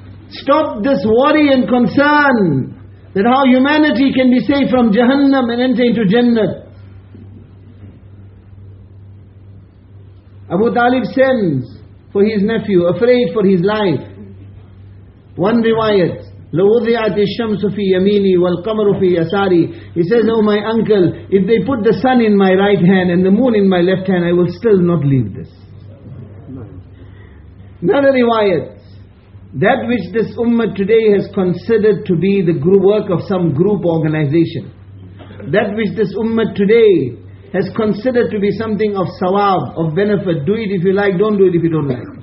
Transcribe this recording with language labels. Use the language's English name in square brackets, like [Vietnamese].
[English] Stop this worry and concern that how humanity can be saved from Jahannam and enter into Jannah. Abu Talib sends for his nephew, afraid for his life. One riwayat, [Arabic] لَوُضِعَتِ الشَّمْسُ فِي يَمِينِي وَالْقَمَرُ فِي يَسَارِي. [English] He says, oh my uncle, if they put the sun in my right hand and the moon in my left hand, I will still not leave this. Another riwayat, that which this ummah today has considered to be the work of some group organization, that which this ummah today has considered to be something of sawab, of benefit, do it if you like, don't do it if you don't like.